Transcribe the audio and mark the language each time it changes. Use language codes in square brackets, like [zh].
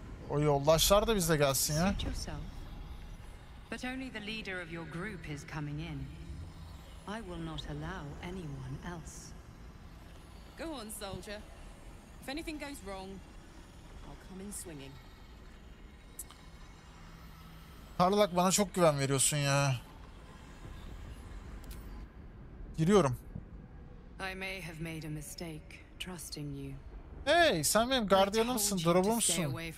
[tr] O yoldaşlar da bizle gelsin ya. [en] Suit yourself. But only the leader of your group is coming in. I will not allow anyone else. Go on, soldier. If anything goes wrong, I'll come in swinging. [tr] Karlak bana çok güven veriyorsun ya. Giriyorum. [en] I may have made a mistake trusting you. [tr] Hey, sen benim gardiyanımsın, drobumsun.